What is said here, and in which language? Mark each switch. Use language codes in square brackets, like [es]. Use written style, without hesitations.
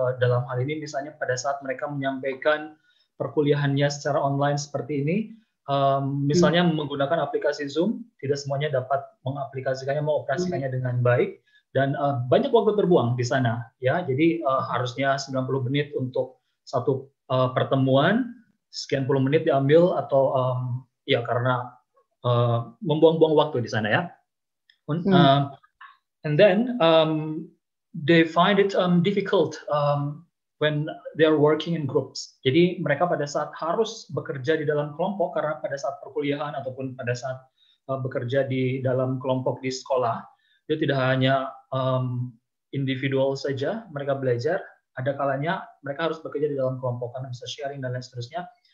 [id] Dalam hal ini misalnya pada saat mereka menyampaikan perkuliahannya secara online seperti ini, misalnya menggunakan aplikasi Zoom, tidak semuanya dapat mengaplikasikannya, mengoperasikannya dengan baik, dan banyak waktu terbuang di sana, ya. Jadi harusnya 90 menit untuk satu pertemuan, sekian puluh menit diambil atau ya karena membuang-buang waktu di sana, ya. [en] And then they find it difficult when they are working in groups. [id] Jadi mereka pada saat harus bekerja di dalam kelompok, karena pada saat perkuliahan ataupun pada saat bekerja di dalam kelompok di sekolah, dia tidak hanya individual saja mereka belajar, ada kalanya mereka harus bekerja di dalam kelompok karena bisa sharing dan lain seterusnya.